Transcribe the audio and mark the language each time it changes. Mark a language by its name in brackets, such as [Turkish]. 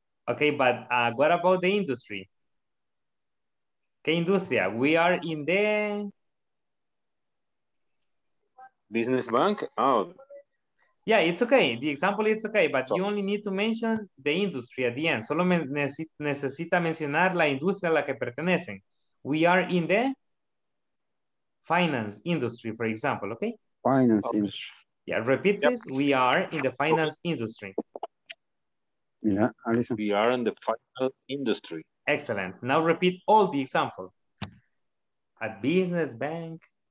[English] Okay, but what about the industry? [Spanish] ¿Qué industria? [English] We are in the? Business bank? Oh. Yeah, it's okay. The example is okay, but you only need to mention the industry at the end. [Spanish] Solo necesita mencionar la industria a la que pertenecen. [English] We are in the finance industry, for example, okay? Finance industry. Yeah, repeat this. We are in the finance industry. Yeah, Alison. We are in the final industry. Excellent. Now repeat all the example. At business bank.